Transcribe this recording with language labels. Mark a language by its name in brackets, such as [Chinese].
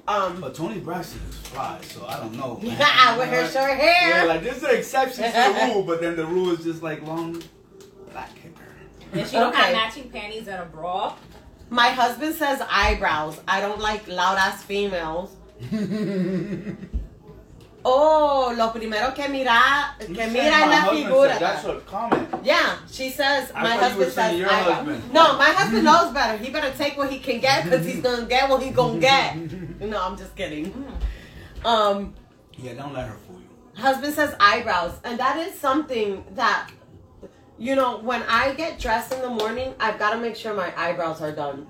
[English] But Toni Braxton is fly, so I don't know. With her short hair. Yeah, like this is an exception to the rule, but then the rule is just like long black hair. And she don't have matching panties and a bra. My husband says eyebrows. I don't like loud ass females. [Spanish] Oh, lo primero que mira en la figura. [English] That's her comment. Yeah, she says, my husband says, your husband. No, my husband knows better. He better take what he can get, because he's going to get what he's going to get. No, I'm just kidding. Yeah, don't let her fool you. Husband says eyebrows. And that is something that, you know, when I get dressed in the morning, I've got to make sure my eyebrows are done.